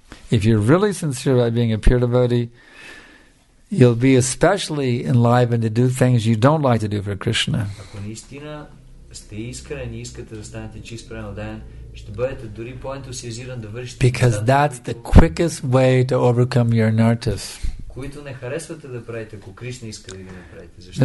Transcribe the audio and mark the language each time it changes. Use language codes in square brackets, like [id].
[en] If you're really sincere about being a pure devotee, you'll be especially enlivened to do things you don't like to do for Krishna. [bg] Ако наистина сте искрен и искате да станете чист предан отдаден, ще бъдете дори по-ентусиазиран да вършите. [en] Because that's the quickest way to overcome your inertness. [bg] Които не харесвате да правите, ако Кришна иска да ги направите.